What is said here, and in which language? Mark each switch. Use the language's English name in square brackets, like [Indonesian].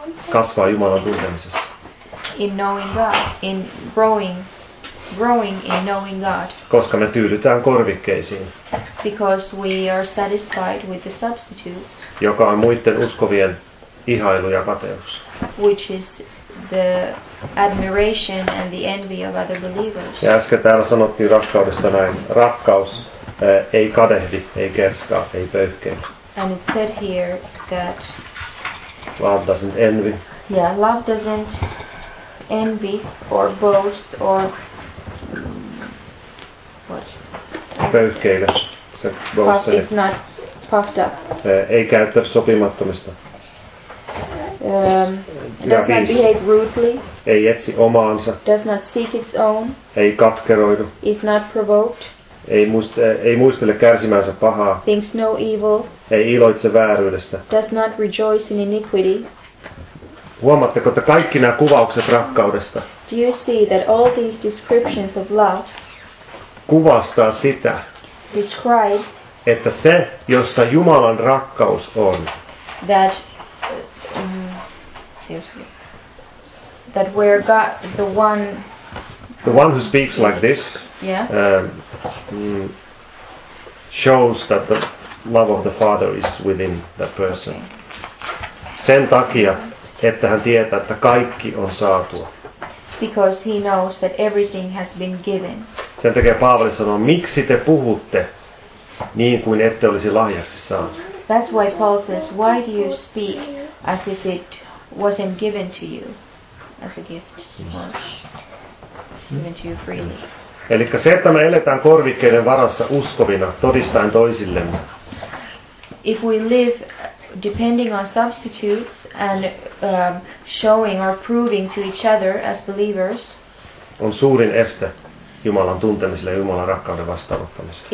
[Finnish] Kasvaa Jumalan tuntemisessa. [English] In knowing God, in growing in knowing God. [Finnish] Koska me tyydytään korvikkeisiin. [English] Because we are satisfied with the substitutes. [Finnish] Joka on muiden uskovien ihailu ja kateus. [English] Which is the admiration and the envy of other believers. [Finnish] Ja äsken täällä sanottiin rakkaudesta näin. Rakkaus ei kadehdi, ei kerskaa, ei pöyhkeä. [English] And it said here that love doesn't envy. Yeah, love doesn't envy or boast or what? [Finnish] Pöyhkeillä. Se [English] boast, it's not puffed up. [Finnish] Ei käyttä sopimattomista. [English] Doesn't behave rudely. [Finnish] Ei etsi omaansa. [English] Does not seek its own. [Finnish] Ei katkeroidu. [English] Is not provoked. [Finnish] Ei muistele kärsimäänsä pahaa. [English] Thinks no evil. [Finnish] Ei iloitse vääryydestä. [English] Does not rejoice in iniquity. [Finnish] Huomaatteko, että kaikki nämä kuvaukset rakkaudesta? [English] Do you see that all these descriptions of love [Finnish] kuvastaa sitä, [English] describe, [Finnish] että se, jossa Jumalan rakkaus on, [English] that that where God, the one who speaks like this, yeah, shows that the love of the Father is within that person. [Finnish] Sen takia, että hän tietää, että kaikki on saatua. [English] Because he knows that everything has been given. [Finnish] Sen takia Paavali sanoo, miksi te puhutte niin kuin ette olisi lahjaksi saanut. [English] That's why Paul says, why do you speak as if it wasn't given to you as a gift? Given to you freely. [Finnish] Elikkä se, että me eletään korvikkeiden varassa uskovina, todistaen toisillemme. [English] If we live depending on substitutes and showing or proving to each other as believers, [Finnish] on suurin este Jumalan tuntemiselle ja Jumalan rakkauden vastaanottamiselle.